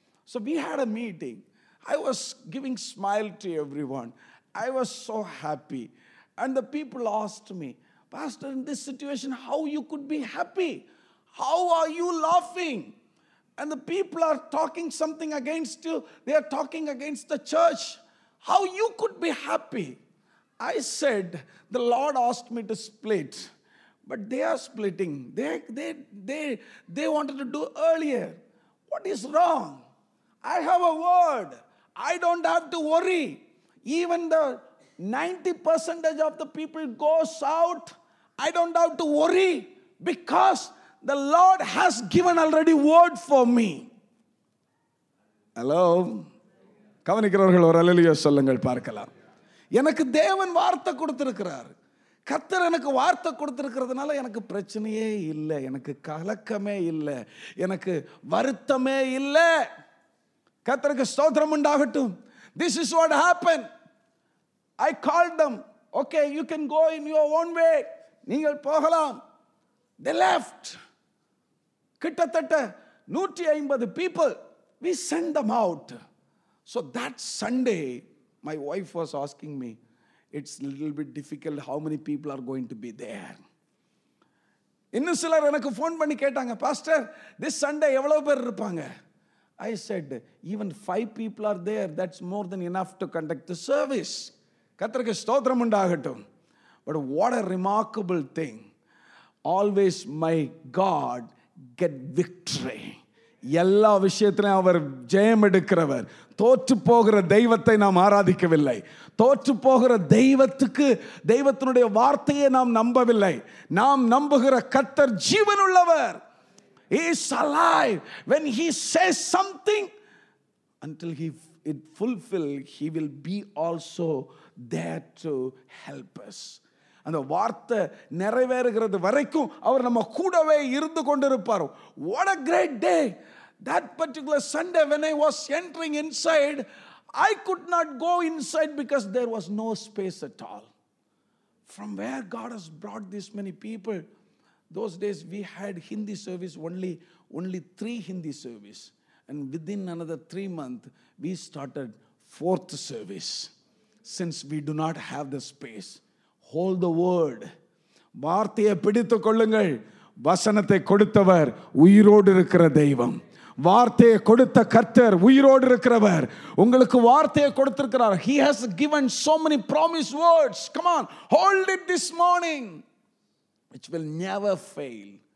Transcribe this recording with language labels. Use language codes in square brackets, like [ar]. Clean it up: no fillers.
[en] So we had a meeting, I was giving smile to every one, I was so happy, and the people asked me, pastor in this situation how you could be happy, how are you லாஃபிங், and the people are talking something against you, they are talking against the church, how you could be happy? I said the Lord asked me to split, but they are splitting, they wanted to do earlier. What is wrong? I have a word, I don't have to worry. Even the 90% of the people goes out, I don't have to worry, because the Lord has given already word for me. [ta] Hello, கவனிக்கிறவர்கள் ஒரு அல்லேலூயா சொல்லுங்கள் பார்க்கலாம். எனக்கு தேவன் வார்த்தை கொடுத்திருக்கிறார், கர்த்தர் எனக்கு வார்த்தை கொடுத்திருக்கிறதுனால எனக்கு பிரச்சனையே இல்லை, எனக்கு கலக்கமே இல்லை, எனக்கு வருத்தமே இல்லை. கர்த்தருக்கு ஸ்தோத்திரம் உண்டாகட்டும். [en] This is what happened. I called them. Okay, you can go in your own way. [ta] நீங்கள் போகலாம். [en] They left. Kittatatta 150 people. We sent them out. So that Sunday, my wife was asking me, it's a little bit difficult how many people are going to be there. [ta] Innu silar enakku phone panni ketanga, Pastor, [en] this Sunday [ta] evlo per irupanga? [en] I said, even 5 people are there, that's more than enough to conduct the service. [ta] Kathirukku stotram undagattum. [en] But what a remarkable thing. Always my God get victory. [ta] எல்லா விஷயத்திலையும் அவர் ஜெயம் எடுக்கிறவர். தோற்று போகிற தெய்வத்தை நாம் ஆராதிக்கவில்லை, தோற்று போகிற தெய்வத்துக்கு தெய்வத்தினுடைய வார்த்தையை நாம் நம்பவில்லை. நாம் நம்புகிற கர்த்தர் ஜீவனுள்ளவர். [en] He is alive. When he says something, until he it fulfill, he will be also there to help us. [ta] அந்த வார்த்தை நிறைவேறுகிறது வரைக்கும் அவர் நம்ம கூடவே இருந்து கொண்டிருப்பார். [en] What a great day! That particular Sunday when I was entering inside, I could not go inside because there was no space at all. From where God has brought this many people, those days we had Hindi service only 3 Hindi service. And within another 3 months, we started 4th service. Since we do not have the space, hold the word. [ta] வார்த்தையை பிடித்து கொள்ளுங்கள். வசனத்தை கொடுத்தவர் உயிரோடு இருக்கிற தெய்வம். வார்த்தையை கொடுத்த கர்த்தர் உயிரோடு இருக்கிறவர். உங்களுக்கு வார்த்தையை கொடுத்திருக்கிறார். [en] He has given so many promised words. Come on, hold it this morning. Which will never fail.